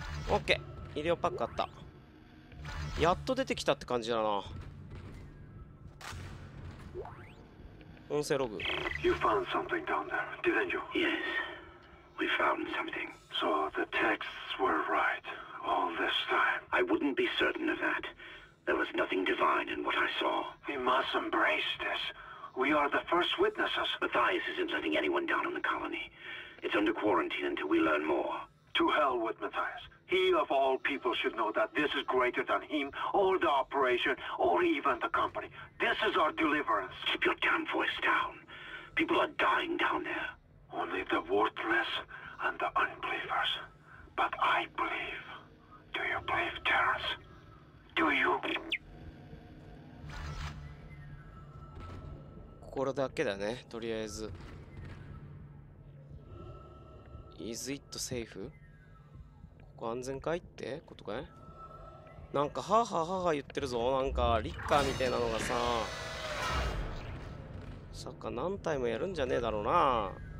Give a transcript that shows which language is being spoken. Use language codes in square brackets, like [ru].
[ja] オッケー、医療パックあった。やっと出てきたって感じだな。音声ログ。 [en] You found something down there, didn't you? Yes, we found something. So the texts were right all this time. I wouldn't be certain of that. There was nothing divine in what I saw. We must embrace this. We are the first witnesses. Matthias isn't letting anyone down in the colony. It's under quarantine until we learn more. To hell with Matthias. He of all people should know that this is greater than him, or the operation, or even the company. This is our deliverance. Keep your damn voice down. People are dying down there. Only the worthless and the unbelievers. But I believe. Do you believe, Terrence? Do you? [ja] これだけだね、とりあえず。 [en] Is it safe? [ja] ここ安全かいってことかい。なんかハハハハ言ってるぞ。なんかリッカーみたいなのがさ、サッカー何体もやるんじゃねえだろうな。